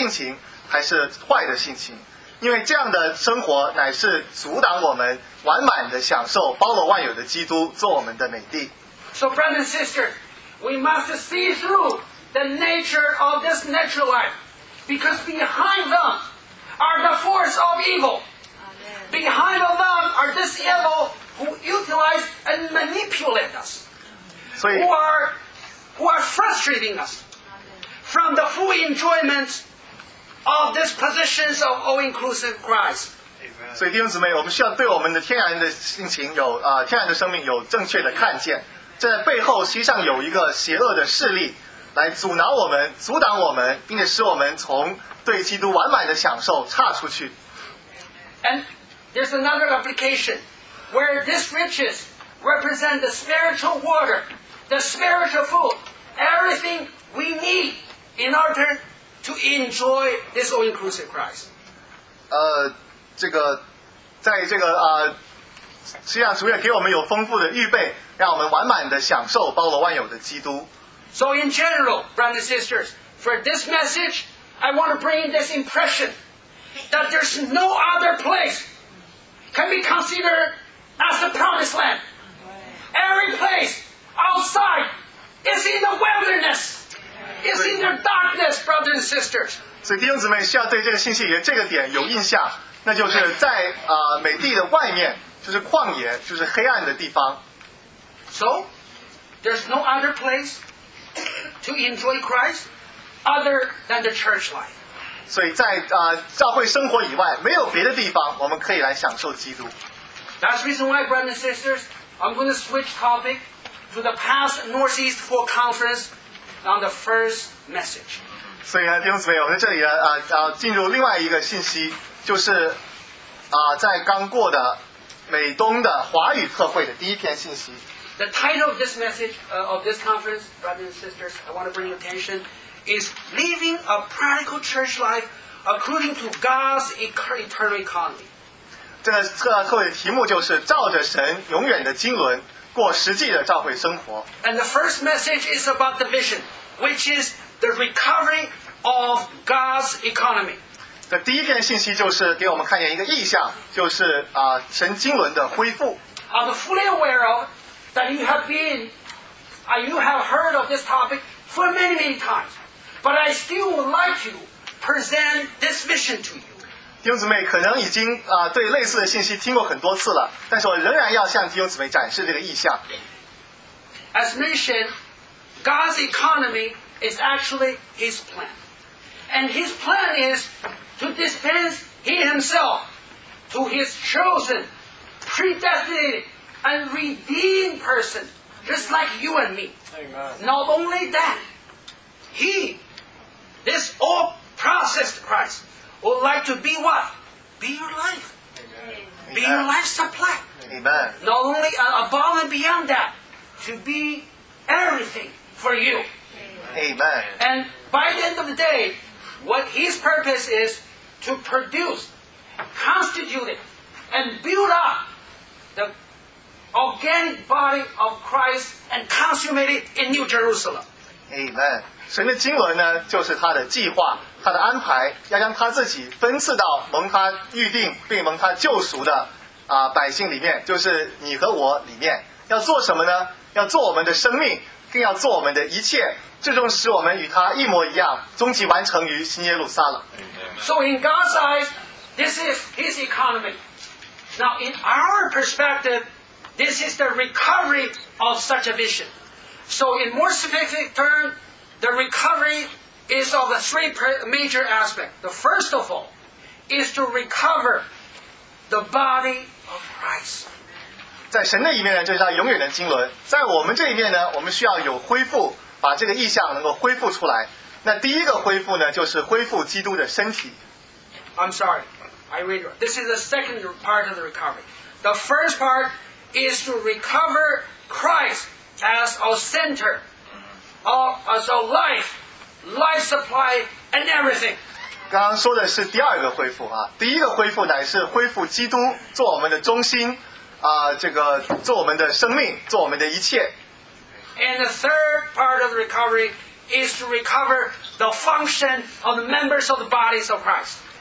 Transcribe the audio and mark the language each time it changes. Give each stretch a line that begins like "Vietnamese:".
Chinese: 实际上在神的眼里，如果我们照着我们天然的性情来生活行动的话，那我们就是在持续不断的犯罪。不管我们的天然的性情是好的性情还是坏的性情， 因为这样的生活乃是阻挡我们完满的享受包罗万有的基督做我们的美地。
English: So brothers and sisters, we must see through the nature of this natural life, because behind them are the force of evil. Behind them are this evil who utilize and manipulate us, who are frustrating us from the full enjoyment of this positions of all-inclusive Christ. Amen.
Chinese: 所以弟兄姊妹，我们需要对我们的天然的性情有天然的生命有正确的看见，在背后实际上有一个邪恶的势力来阻挠我们，阻挡我们，并且使我们从对基督完满的享受差出去。
English: And there's another application where this riches represent the spiritual water, the spiritual food, everything we need in order to enjoy this all-inclusive Christ.
Chinese: 这个在这个实际上主也给我们有丰富的预备，让我们完满的享受包罗万有的基督。
English: So in general, brothers and sisters, for this message, I want to bring this impression that there's no other place can be considered as the promised land. Every place outside is in the wilderness, is in the darkness, brothers and sisters.
Chinese: 所以弟兄姊妹需要对这个信息里这个点有印象，那就是在美地的外面，就是旷野，就是黑暗的地方。
English: So, there's no other place to enjoy Christ other than the church life.
Chinese: 所以在教会生活以外，没有别的地方我们可以来享受基督。
English: That's the reason why, brothers and sisters, I'm going to switch topic to the past Northeast Fall Conference on the first message.
Chinese: 所以弟兄姊妹，我们这里进入另外一个信息，就是在刚过的美东的华语特会的第一篇信息。
English: The title of this message, of this conference, brothers and sisters, I want to bring your attention, is Living a Practical Church Life According to God's Eternal Economy.
Chinese: 这个特会的题目就是照着神永远的经纶过实际的教会生活。
English: And the first message is about the vision, which is the recovery of God's economy.
Chinese: 这第一篇信息就是给我们看见一个意象，就是神经纶的恢复。
English: I'm fully aware of that you have been, you have heard of this topic for many, many times. But I still would like to present this vision to you.
Chinese: 弟兄姊妹可能已经对类似的信息听过很多次了，但是我仍然要向弟兄姊妹展示这个意象。
English: As mentioned, God's economy is actually His plan. And His plan is to dispense He Himself to His chosen, predestined, and redeemed person, just like you and me. Amen. Not only that, He, this all-processed Christ, would like to be what? Be your life. Amen. Be your life supply. Amen. Not only above and beyond that, to be everything for you. Amen. And by the end of the day, what His purpose is, to produce, constitute it, and build up the organic body of Christ and consummate it in New Jerusalem. Amen.
Chinese: 神的经纶呢，就是他的计划，他的安排，要将他自己分赐到蒙他预定并蒙他救赎的百姓里面，就是你和我里面。要做什么呢？要做我们的生命，更要做我们的一切，最终使我们与他一模一样，终极完成于新耶路撒冷。
English: So in God's eyes, this is His economy. Now in our perspective, this is the recovery of such a vision. So in more specific term, the recovery is of a three major aspects. The first of all is to recover the body of Christ.
Chinese: 在神的一面呢，就是他永远的经纶。在我们这一面呢，我们需要有恢复，把这个意象能够恢复出来。那第一个恢复呢，就是恢复基督的身体。
English: I'm sorry, I read wrong. This is the second part of the recovery. The first part is to recover Christ as our center, as our life, life supply, and everything.
Chinese: 刚刚说的是第二个恢复啊，第一个恢复乃是恢复基督做我们的中心，这个做我们的生命，做我们的一切。
English: And the third part of the recovery is to recover the function of the members of the bodies of Christ.